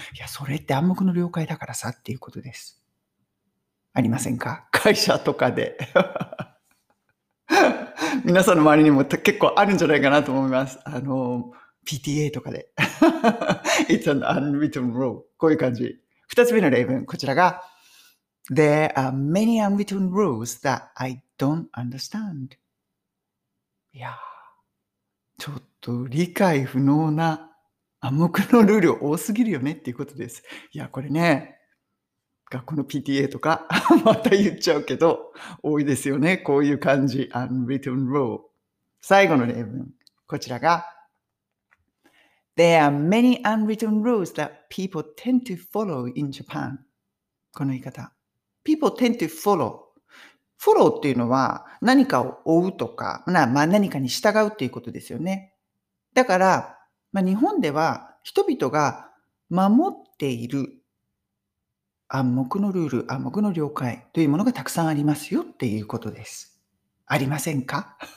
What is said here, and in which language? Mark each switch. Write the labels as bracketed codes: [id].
[ja] いや、それって暗黙の了解だからさっていうことです。ありませんか？会社とかで皆さんの周りにも結構あるんじゃないかなと思います。 PTA とかで。 [en] It's an unwritten rule. [ja] こういう感じ。二つ目の例文、こちらが。 [en] There are many unwritten rules that I don't understand. [ja] いやー、ちょっと理解不能な暗黙のルール多すぎるよねっていうことです。いや、これね、学校の PTA とか、また言っちゃうけど、多いですよね。こういう感じ。unwritten rule。 最後の例文。こちらが。 [en] There are many unwritten rules that people tend to follow in Japan. [ja] この言い方。 [en] people tend to follow。 [ja] follow っていうのは、何かを追うとか、何かに従うっていうことですよね。だから、日本では、人々が守っている暗黙のルール、暗黙の了解というものがたくさんありますよっていうことです。ありませんか？